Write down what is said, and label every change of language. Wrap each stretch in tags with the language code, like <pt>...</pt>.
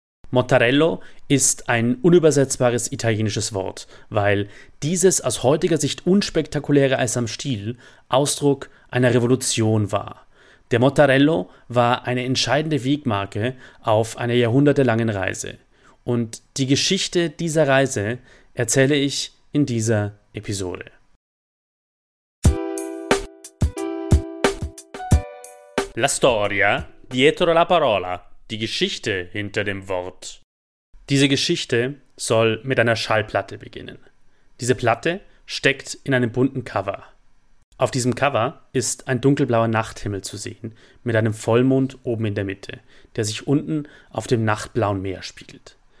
<de>Mottarello ist ein unübersetzbares italienisches Wort, weil dieses aus heutiger Sicht unspektakuläre Eis am Stiel Ausdruck einer Revolution war. Der Mottarello war eine entscheidende Wegmarke auf einer jahrhundertelangen Reise. Und die Geschichte dieser Reise erzähle ich in dieser Episode.</de> <it>La storia dietro la parola.</it> <de>Die Geschichte hinter dem Wort. Diese Geschichte soll mit einer Schallplatte beginnen. Diese Platte steckt in einem bunten Cover. Auf diesem Cover ist ein dunkelblauer Nachthimmel zu sehen, mit einem Vollmond oben in der Mitte, der sich unten auf dem nachtblauen Meer spiegelt.</de>